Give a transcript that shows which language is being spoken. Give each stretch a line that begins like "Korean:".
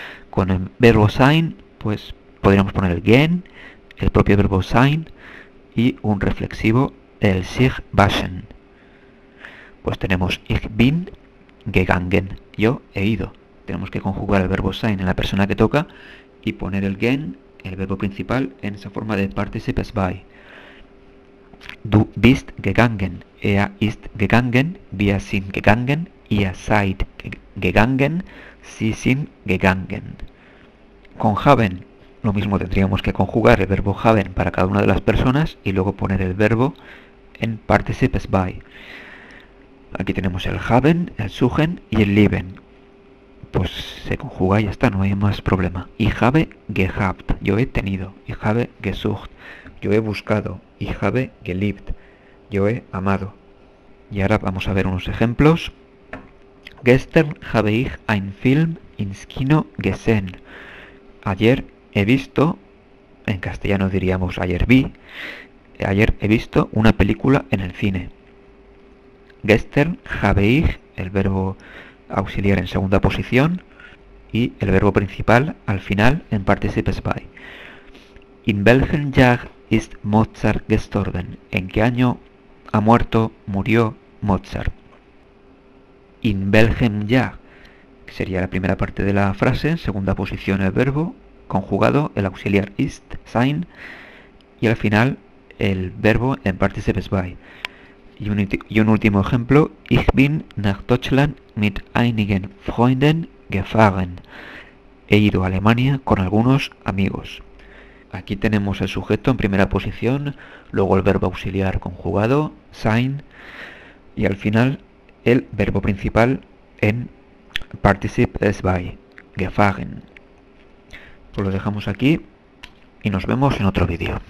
Spanish: Con el verbo sein, pues podríamos poner el gehen, el propio verbo sein y un reflexivo, el sich waschen. Pues tenemos
German: ich bin gegangen,
Spanish: yo he ido. Tenemos que conjugar el verbo sein en la persona que toca y poner el gehen, el verbo principal, en esa forma de participes bei.
German: Du bist gegangen, er ist gegangen, wir sind gegangen, ihr seid gegangen, sie sind gegangen.
Spanish: Con haben, lo mismo, tendríamos que conjugar el verbo haben para cada una de las personas y luego poner el verbo en participes bei. Aquí tenemos el haben, el suchen y el lieben. Pues se conjuga y ya está, no hay más problema.
German: Ich habe gehabt,
Spanish: yo he tenido.
German: Ich habe gesucht,
Spanish: yo he buscado.
German: Ich habe geliebt,
Spanish: yo he amado. Y ahora vamos a ver unos ejemplos.
German: Gestern habe ich ein Film ins Kino gesehen.
Spanish: Ayer he visto, en castellano diríamos ayer he visto una película en el cine.
German: Gestern habe ich,
Spanish: el verbo auxiliar en segunda posición, y el verbo principal al final en participes bei.
German: In welchem Jahr ist Mozart gestorben?
Spanish: ¿En qué año ha muerto, murió Mozart?
German: In welchem Jahr
Spanish: sería la primera parte de la frase, en segunda posición el verbo conjugado, el auxiliar ist, sein, y al final el verbo en participes bei. Y un último ejemplo.
German: Ich bin nach Deutschland mit einigen Freunden gefahren.
Spanish: He ido a Alemania con algunos amigos. Aquí tenemos el sujeto en primera posición, luego el verbo auxiliar conjugado, sein, y al final el verbo principal en participes bei, gefahren. Pues lo dejamos aquí y nos vemos en otro vídeo.